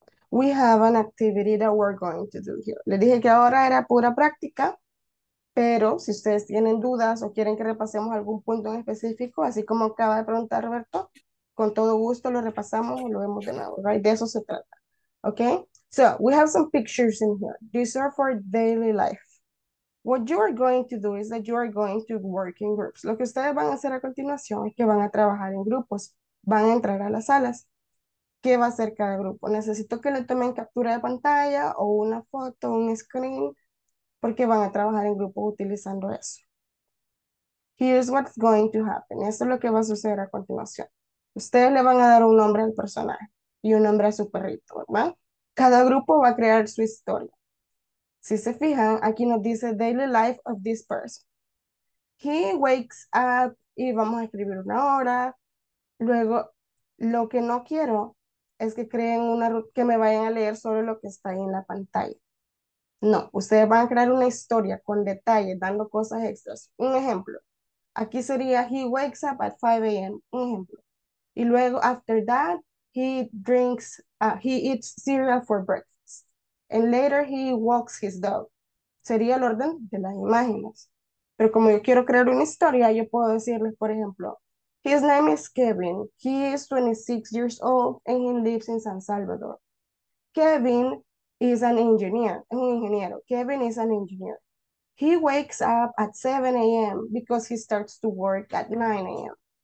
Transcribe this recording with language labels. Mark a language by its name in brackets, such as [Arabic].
[English] We have an activity that we're going to do here. [Spanish] Le dije que ahora era pura práctica. Pero si ustedes tienen dudas o quieren que repasemos algún punto en específico, así como acaba de preguntar Roberto, Con todo gusto lo repasamos y lo vemos de nuevo, right? De eso se trata. [English] Okay? So, we have some pictures in here. These are for daily life. What you are going to do is that you are going to work in groups. [Spanish] Lo que ustedes van a hacer a continuación es que van a trabajar en grupos. Van a entrar a las salas. ¿Qué va a hacer cada grupo? Necesito que le tomen captura de pantalla o una foto, un screen, porque van a trabajar en grupo utilizando eso. [English] Here's what's going to happen. [Spanish] Esto es lo que va a suceder a continuación. Ustedes le van a dar un nombre al personaje y un nombre a su perrito, ¿verdad? Cada grupo va a crear su historia. Si se fijan, aquí nos dice [English] daily life of this person. He wakes up [Spanish] y vamos a escribir una hora. Luego, lo que no quiero es que creen una que me vayan a leer solo lo que está ahí en la pantalla. No, ustedes van a crear una historia con detalle, dando cosas extras. [English] Un ejemplo. [Spanish] Aquí sería, [English] he wakes up at 5 a.m. [Spanish] Un ejemplo. Y luego, [English] after that, he eats cereal for breakfast. And later, he walks his dog. [Spanish] Sería el orden de las imágenes. Pero como yo quiero crear una historia, yo puedo decirles, por ejemplo, [English] his name is Kevin. He is 26 years old and he lives in San Salvador. Kevin is an engineer. [Spanish] Es un ingeniero. [English] Kevin is an engineer. He wakes up at 7 a.m. because he starts to work at 9 a.m.